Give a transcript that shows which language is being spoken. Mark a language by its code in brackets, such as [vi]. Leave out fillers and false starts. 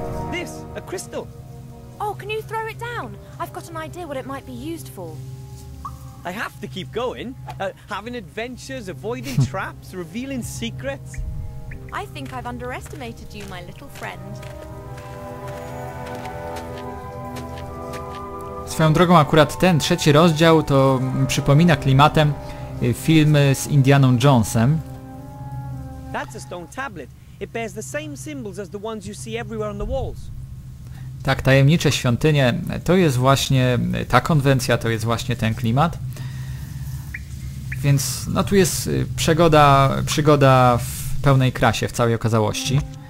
[en] This, a crystal. Oh, can you throw it down? I've got an idea what it might be used for. I have to keep going. Having adventures, avoiding traps, revealing secrets. I think I've underestimated you, my little friend. [pl] Swoją drogą akurat ten trzeci rozdział to przypomina klimatem film z Indianą Jonesem. [en] That's a stone tablet. It bears the same symbols as the ones you see everywhere on the walls. [pl] Tak, tajemnicze świątynie, to jest właśnie ta konwencja, to jest właśnie ten klimat. Więc no tu jest przygoda w pełnej krasie, w całej okazałości.